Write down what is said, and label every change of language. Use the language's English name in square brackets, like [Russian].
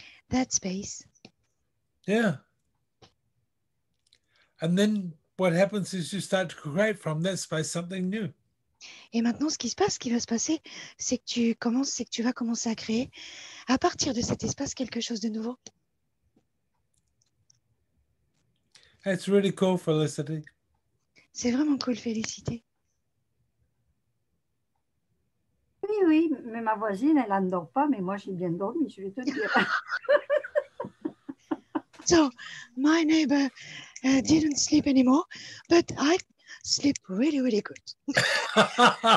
[English] That space. Yeah. And then what happens is you start to create from that space something new. [French] Et maintenant, ce qui va se passer, c'est que tu vas commencer à créer à partir de cet espace quelque chose de nouveau. [English] That's really cool, Felicity. [French] C'est vraiment cool, Félicité. Oui, oui, mais ma voisine, elle ne dort pas, mais moi, j'ai bien dormi, je vais te dire. [English] So, my neighbor didn't sleep anymore, but I sleep really, really good.